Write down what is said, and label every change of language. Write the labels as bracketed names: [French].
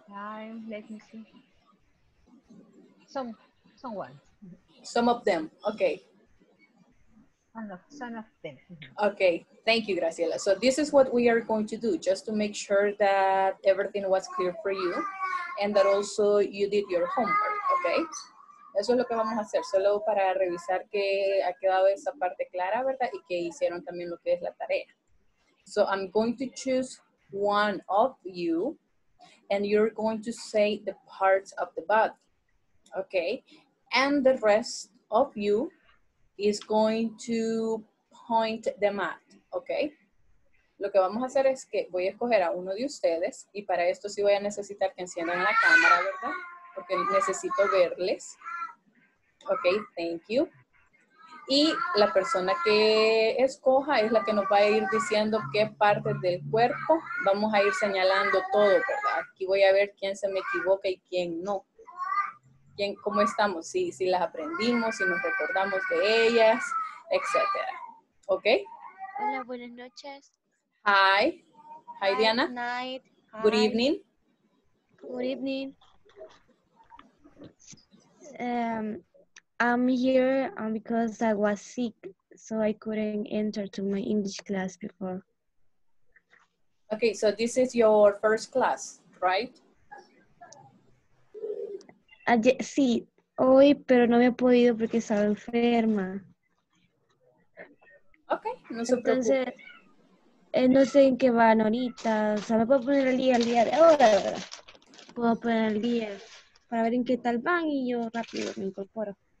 [English] I'm, let me see. Someone. Some of them, okay. Some of them. Okay, thank you, Graciela. So this is what we are going to do, just to make sure that everything was clear for you. And that also you did your homework, okay? [Spanish] Eso es lo que vamos a hacer, solo para revisar que ha quedado esa parte clara, ¿verdad? Y que hicieron también lo que es la tarea. [English] So I'm going to choose one of you, and you're going to say the parts of the body, okay? And the rest of you is going to point them out, okay? [Spanish] Lo que vamos a hacer es que voy a escoger a uno de ustedes y para esto sí voy a necesitar que enciendan la cámara, ¿verdad? Porque necesito verles. [English] Ok, thank you. [Spanish] Y la persona que escoja es la que nos va a ir diciendo qué partes del cuerpo vamos a ir señalando todo, ¿verdad? Aquí voy a ver quién se me equivoca y quién no. ¿Quién, cómo estamos? Si las aprendimos, si nos recordamos de ellas, etc. ¿Ok? Hola, buenas noches. [English] Hi. Hi, Diana. Night. Hi. Good evening. Good evening. I'm here because I was sick, so I couldn't enter to my English class before. Okay, so this is your first class, right? [Spanish] Sí, hoy, pero no me he podido porque estaba enferma. Okay, no se preocupe. Entonces, no sé en qué van ahorita, o sea, me puedo poner al día de ahora, puedo poner al día para ver en qué tal van y yo rápido me incorporo.